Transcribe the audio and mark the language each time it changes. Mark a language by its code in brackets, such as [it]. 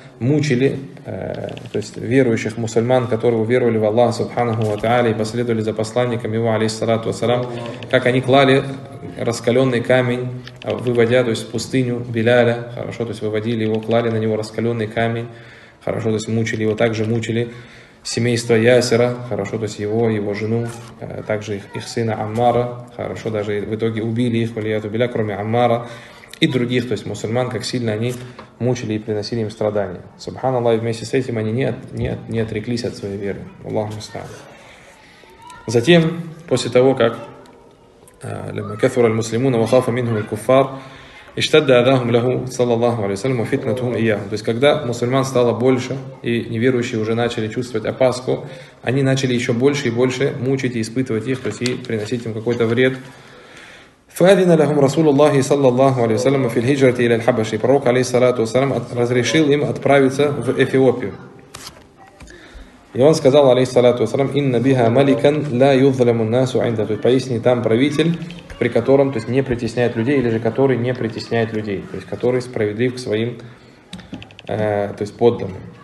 [ru] мучили, то есть верующих мусульман, которые уверовали в Аллаха Субханаху ва Тааля и последовали за посланником его, алейхиссалату вассалам, как они клали раскаленный камень, выводя, то есть в пустыню Биляля, хорошо, то есть выводили его, клали на него раскаленный камень, хорошо, то есть мучили его, также мучили семейство Ясера, хорошо, то есть его, его жену, также их сына Аммара, хорошо, даже в итоге убили их, валиату Биля, кроме Аммара, и других, то есть мусульман, как сильно они мучили и приносили им страдания. Субханаллах, и вместе с этим они не отреклись от своей веры. Аллаху мустаан. Затем, после того, как [ar] لما كثر المسلمون وخاف منهم الكفار اشتد أذاهم له صلى الله عليه وسلم وفتنتهم إياهم. [ru] То есть когда мусульман стало больше и неверующие уже начали чувствовать опаску, они начали еще больше и больше мучить и испытывать их, то есть и приносить им какой-то вред. [ar] فأذن لهم رسول الله صلى الله عليه وسلم في الهجرة إلى الحبشة. [ru] Пророк алейхиссалату вассалям разрешил им отправиться в Эфиопию. И он сказал, алейхиссалату вассалям, [ar] инна биха маликан ла юзлиму ан-насу инда. [ru] То есть поистине там правитель, при котором, то есть не притесняет людей, или же который не притесняет людей, то есть который справедлив к своим, то есть подданным.